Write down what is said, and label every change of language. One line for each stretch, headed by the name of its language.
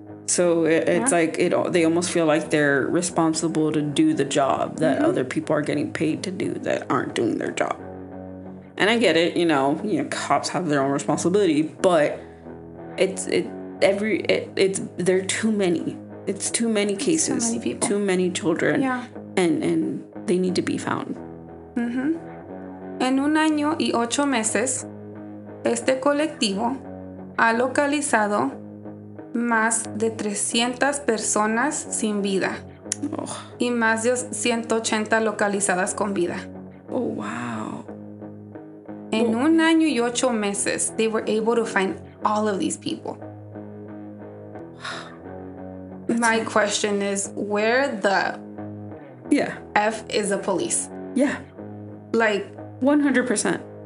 English: So it's like they almost feel like they're responsible to do the job that other people are getting paid to do that aren't doing their job. And I get it, you know, cops have their own responsibility, but it's they're too many. It's too many cases. Too many people. Too many children. Yeah. And they need to be found. Mm-hmm.
Spanish: En un año y ocho meses, este colectivo ha localizado más de 300 personas sin vida. Oh. Y más de 180 localizadas con vida.
English: Oh, wow.
Spanish: En un año y ocho meses,
English: they were able to find all of these people. My question is, where the F is the police? Yeah. Like, 100%.